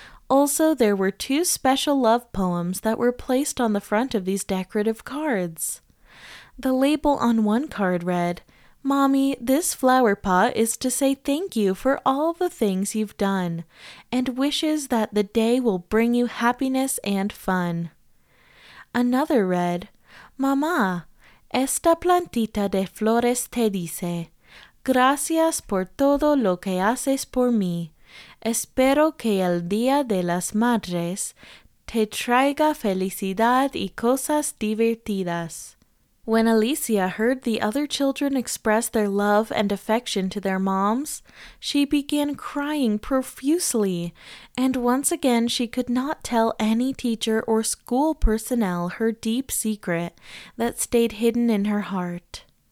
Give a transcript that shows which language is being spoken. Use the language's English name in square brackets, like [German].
[English] Also, there were two special love poems that were placed on the front of these decorative cards. The label on one card read, "Mommy, this flower pot is to say thank you for all the things you've done, and wishes that the day will bring you happiness and fun." Another read, [Spanish] "Mamá, esta plantita de flores te dice, gracias por todo lo que haces por mí. Espero que el día de las madres te traiga felicidad y cosas divertidas." [English] When Alicia heard the other children express their love and affection to their moms, she began crying profusely, and once again she could not tell any teacher or school personnel her deep secret that stayed hidden in her heart.